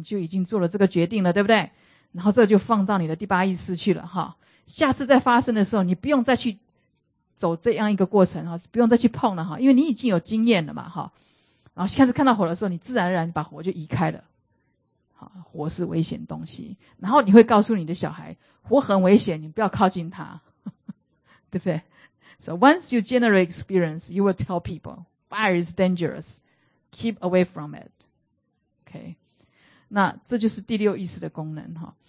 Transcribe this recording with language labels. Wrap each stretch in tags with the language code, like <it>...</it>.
<zh>而且呢，接下去要做决定了，这个火太危险了，所以我要把它怎样？我远离它不打紧，我要把它挪开，把它挪开，不要让自己再烧到，不要让别人烧到，挪开。然后你最后就可以做一个决谋断，任何一个过程你都会一个谋断说，火是危险之物，我们要远离它，你就已经做了这个决定了，对不对？然后这就放到你的第八意识去了。下次再发生的时候，你不用再去走这样一个过程，不用再去碰了，因为你已经有经验了嘛。然后下次看到火的时候，你自然而然把火就移开了。火是危险东西，然后你会告诉你的小孩，火很危险，你不要靠近它，对不对？</zh> <en>So once you generate experience, you will tell people, fire is dangerous, keep away from it. Okay.</en> <zh>那这就是第六意识的功能。</zh>